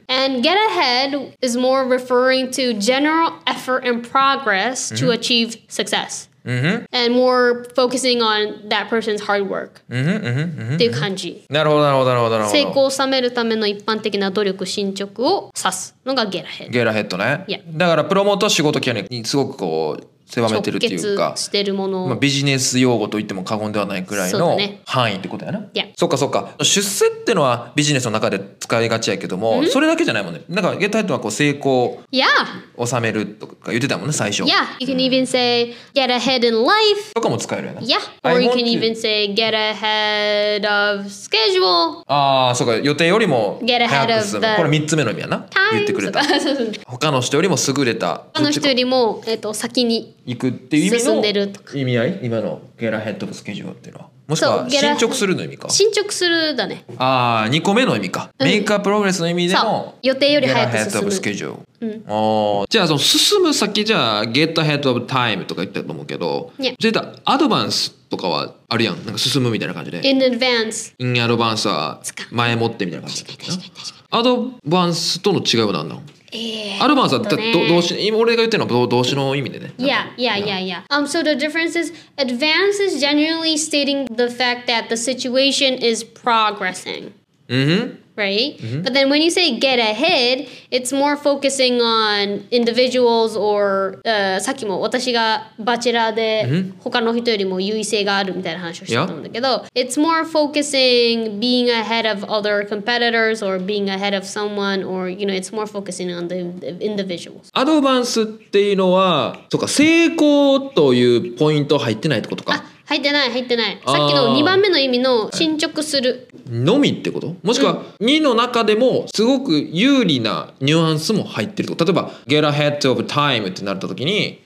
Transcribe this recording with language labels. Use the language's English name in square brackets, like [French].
[English] And get ahead is more referring to general effort and progress to achieve success. Mm-hmm. And more focusing on that person's hard work. Mm-hmm. [Japanese] っていう感じ。なるほどなるほどなるほどなるほど。成功を収めるための一般的な努力進捗を指すのが [English] get ahead。 [Japanese] Get ahead ね。 [English] Yeah. [Japanese] だからプロモートは仕事キャリアにすごくこう狭めてるっていうか、直結してるもの、まあ、ビジネス用語と言っても過言ではないくらいの範囲ってことやな。そうだね。そっかそっか。出世ってのはビジネスの中で使いがちやけども、 mm-hmm. それだけじゃないもんね。なんかゲットアヘッドはこう成功を収めるとか言ってたもんね最初。 [English] Yeah. You can even say get ahead in life [Japanese] とかも使えるやな。 [English] Yeah. Or you can even say get ahead of schedule。 [Japanese] ああ、そっか。予定よりも [English] get ahead of the、 [Japanese] これ3つ目の意味やな。 [English] Time [Japanese] 言ってくれた。他の人よりも優れた、他の人よりも先に行くっていう意味の進んでるとか意味合い、今のゲラヘッドスケジュールっていうのはもしくは進捗するの意味か。進捗するだね。あ、2個目の意味か、うん、メイクアプログレスの意味でも予定より早く進む。 [English] Get ahead of schedule、 [Japanese] うん、あ、じゃあその進む先、じゃあ [English] Get ahead of time [Japanese] とか言ったと思うけど、 [English] yeah. [Japanese] そういったアドバンスとかはあるやん、なんか進むみたいな感じで。 [English] In advance、 [Japanese] In advance は前もってみたいな感じ。確かに確かに確かに。アドバンスとの違いは何なの？アルバンスは動詞、俺が言ってるのは動詞の意味でね。 [English] Yeah. So the difference is advance is generally stating the fact that the situation is progressing、 mm-hmm. right、 mm-hmm. but then when you say get ahead it's more focusing on individuals or、 [Japanese] さっきも私がバチェラーで他の人よりも優位性があるみたいな話をしたと思うんだけど、 [English] yeah. it's more focusing being ahead of other competitors or being ahead of someone or you know it's more focusing on the individuals。 [Japanese] アドバンスっていうのはとか成功というポイント入ってないってことか。入ってない入ってない。さっきの2番目の意味の進捗する、はい、のみってこと？もしくは2の中でもすごく有利なニュアンスも入ってると。例えば [English] Get ahead of time [Japanese] ってなった時に